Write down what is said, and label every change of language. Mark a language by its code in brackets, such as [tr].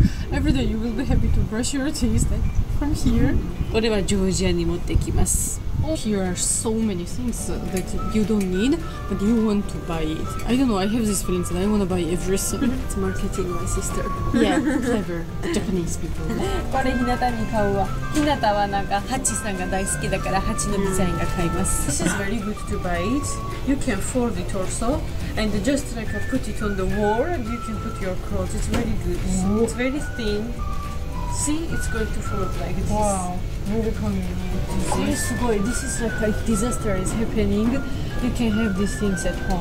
[en] Every day you will be happy to brush your teeth like, from here. [ja] これはジョージアに持ってきます。 [en] Here are so many things that you don't need, but you want to buy it. I don't know, I have this feeling that I want to buy everything. It's marketing my sister. Yeah, clever. Japanese people. [ja] これひなたに買うわ。ひなたはなんかハチさんが大好きだからハチのデザインが買います。 [en] This is very good to buy it. You can fold it also. And just like put it on the wall and you can put your clothes. It's very good. It's very thin. See, it's going to fall like this. Wow, very convenient. Boy, this is like disaster is happening. You can have these things at home.